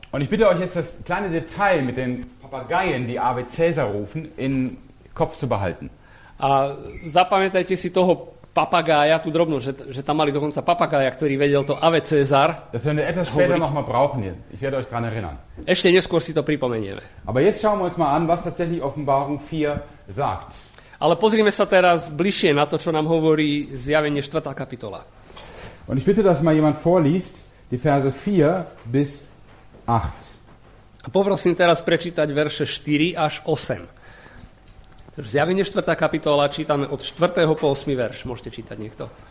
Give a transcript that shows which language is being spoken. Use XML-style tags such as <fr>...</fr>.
<de>Und ich bitte euch jetzt das kleine Detail mit den Papageien, die Ave Caesar rufen, in Kopf zu behalten.</de> <sk>A zapamätajte si toho papagája, tú drobnosť, že tam mali dokonca papagája, ktorý vedel to Ave Caesar.</sk> <de>Das werden wir etwas später nochmal brauchen. Ich werde euch dran erinnern.</de> <sk>Ešte neskôr si to pripomenieme.</sk> <de>Aber jetzt schauen wir uns mal an, was tatsächlich Offenbarung 4 sagt.</de> <sk>Ale pozrime sa teraz bližšie na to, čo nám hovorí zjavenie 4. kapitola.</sk> <de>Und ich bitte, dass mal jemand vorliest, die Verse 4 bis 8.</de> <sk>A poprosím teraz prečítať verše 4 až 8. Zjavenie 4. kapitola, čítame od 4. po 8. verš. Môžete čítať niekto.</sk>